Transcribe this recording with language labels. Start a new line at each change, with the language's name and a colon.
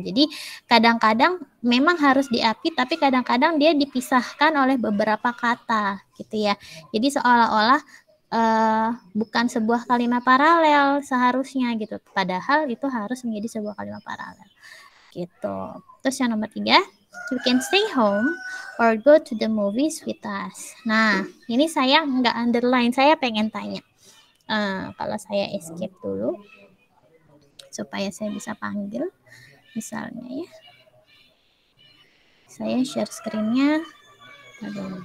Indonesian: Jadi kadang-kadang memang harus diapi, tapi kadang-kadang dia dipisahkan oleh beberapa kata, gitu ya. Jadi seolah-olah bukan sebuah kalimat paralel seharusnya gitu. Padahal itu harus menjadi sebuah kalimat paralel, gitu. Terus yang nomor tiga,
English: you can stay home or go to the movies with us.
Indonesian: Nah, ini saya nggak underline, saya pengen tanya. Kalau saya escape dulu. Supaya saya bisa panggil misalnya ya, saya share screen-nya ya.